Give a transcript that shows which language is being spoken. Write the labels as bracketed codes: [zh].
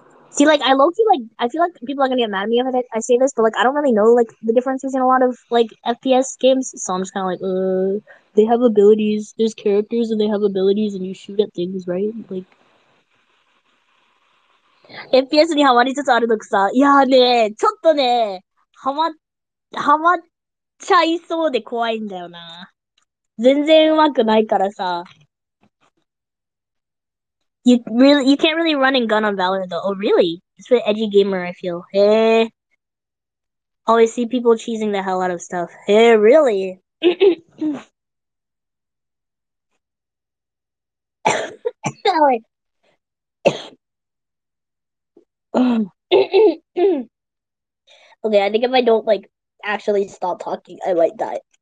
[en] See, like, I low-key, like, I feel like people are gonna get mad at me if I say this, but, like, I don't really know, like, the differences in a lot of, like, FPS games, so I'm just kinda like, they have abilities, there's characters and they have abilities and you shoot at things, right? [ja] Like, FPS にハマりつつあるのくさ、いやね、ちょっとね、ハマっちゃいそうで怖いんだよな。全然上手くないからさ。 [en] You can't really run and gun on Valorant though. Oh really? It's an edgy gamer, I feel. Hey. Always see people cheesing the hell out of stuff. Yeah, really. Okay, I if I don't like actually stop talking, I might die.